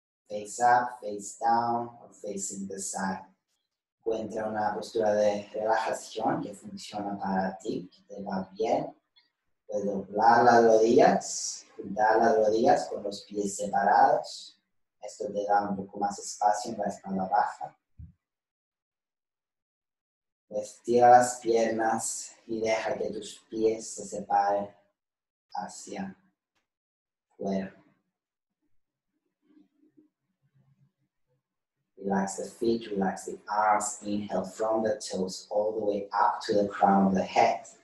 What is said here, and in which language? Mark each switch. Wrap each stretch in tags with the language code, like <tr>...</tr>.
<en>Face up, face down, or facing the side.</en> <es>Encuentra una postura de relajación que funciona para ti, que te va bien. Puedes doblar las rodillas, juntar las rodillas con los pies separados. Esto te da un poco más espacio en la espalda baja. Estira las piernas y deja que tus pies se separen hacia afuera.</es> <en>Relax the feet, relax the arms, inhale from the toes all the way up to the crown of the head.</en>